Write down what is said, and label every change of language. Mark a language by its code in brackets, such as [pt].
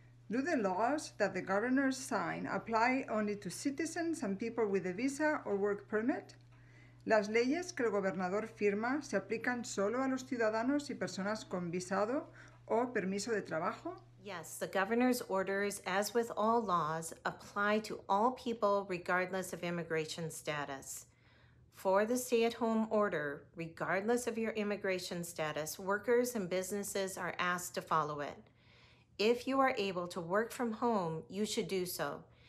[en] Do the laws that the governor signed apply only to citizens and people with a visa or work permit? [es] ¿Las leyes que el gobernador firma se aplican solo a los ciudadanos y personas con visado o permiso de trabajo? [en] Yes, the governor's orders, as with all laws, apply to all people regardless of immigration status. For the stay-at-home order, regardless of your immigration status, workers and businesses are asked to follow it. If you are able to work from home, you should do so.